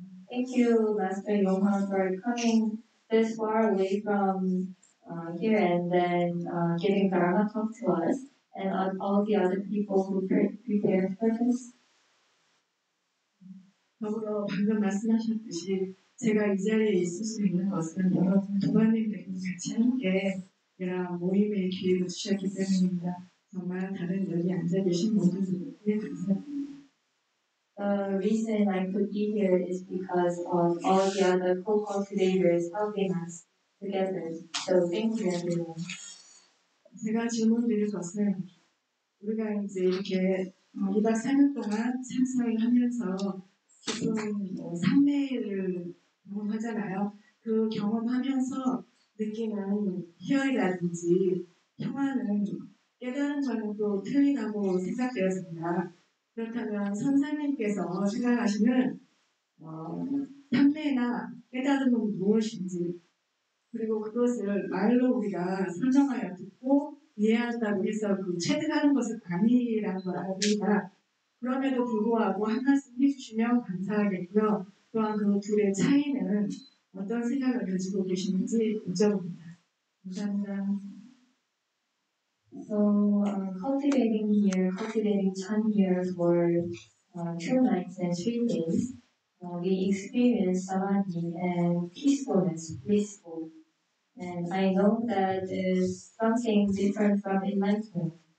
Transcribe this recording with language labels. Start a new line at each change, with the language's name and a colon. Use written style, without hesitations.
English: Thank you, Master Yonghwan, for coming this far away from here and then giving Dharma talk to us. And all the other people who prepared for this.
Korean: 더불어 방금 말씀하셨듯이 제가 이 자리에 있을 수 있는 것은 여러분 조관님들과 같이 함께 이런 모임의 기회를 주셨기 때문입니다. 정말 다른 여기 앉아 계신 모든 분들께 감사합니다.
English: The reason I could be here is because of all the other co-cultivators helping us together. So thank you, everyone.
Korean: 제가 질문드릴 것은 우리가 이제 이렇게 2박 3일 동안 참석을 하면서 기존 삼매를 경험하잖아요. 그 경험하면서 느끼는 희열이라든지 평화는 깨달은 저는 또 틀린다고 생각되었습니다. 그렇다면 선생님께서 생각하시는 삼매나 깨달음은 무엇인지 그리고 그것을 말로 우리가 설명하여 듣고 이해한다고 해서 그 체득하는 것을 아니라는 걸 알고 그럼에도 불구하고 한 말씀 해주시면 감사하겠고요. 또한 그 둘의 차이는 어떤 생각을 가지고 계시는지 여쭤봅니다. 감사합니다.
English: So cultivating here, cultivating Chan here for two nights and 3 days, we experience samadhi and peacefulness, blissful. And I know that is something different from enlightenment.